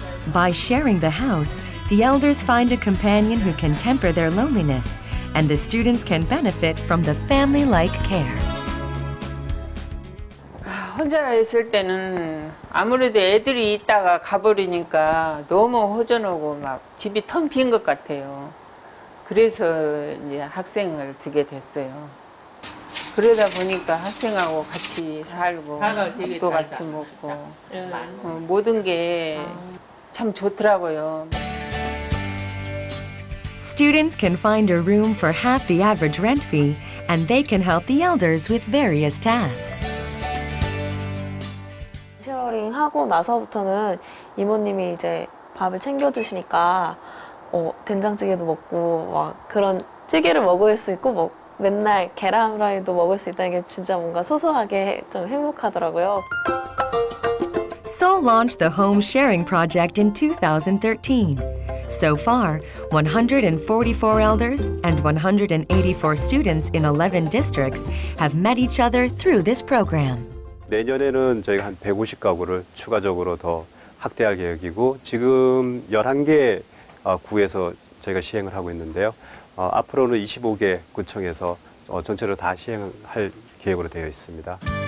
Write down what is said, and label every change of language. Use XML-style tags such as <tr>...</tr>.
<en>By sharing the house, the elders find a companion who can temper their loneliness, and the students can benefit from the family-like care.</en> <ko>혼자 있을 때는 아무래도 애들이 있다가 가버리니까 너무 허전하고 막 집이 텅 빈 것 같아요. 그래서 이제 학생을 두게 됐어요. 그러다 보니까 학생하고 같이 살고 밥도 같이 먹고 모든 게 참 좋더라고요.</ko> <en>Students can find a room for half the average rent fee, and they can help the elders with various tasks.</en> <ko>쉐어링 하고 나서부터는 이모님이 이제 밥을 챙겨 주시니까 된장찌개도 먹고 막 그런 찌개를 먹을 수 있고 뭐 맨날 계란 후라이도 먹을 수 있다는 게 진짜 뭔가 소소하게 좀 행복하더라고요.</ko> <en>Seoul launched the home sharing project in 2013. So far, 144 elders and 184 students in 11 districts have met each other through this program.</en> <ko>내년에는 저희가 한 150가구를 추가적으로 더 확대할 계획이고 지금 11개 구에서 저희가 시행을 하고 있는데요. 앞으로는 25개 구청에서 전체로 다 시행할 계획으로 되어 있습니다.</ko>